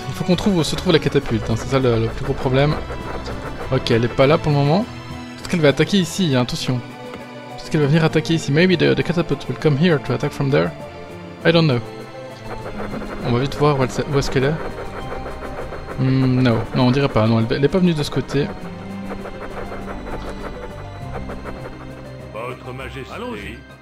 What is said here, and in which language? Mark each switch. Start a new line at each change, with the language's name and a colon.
French: Il faut qu'on trouve où se trouve la catapulte, hein, c'est ça le plus gros problème. Ok, elle est pas là pour le moment. Est-ce qu'elle va attaquer ici, hein, attention. Qu'elle va venir attaquer ici.
English: Maybe the catapult will come here to attack from there. I don't know.
French: On va vite voir où est-ce qu'elle est. Non, on dirait pas. Non, elle est pas venue de ce côté. Votre majesté. Allons-y.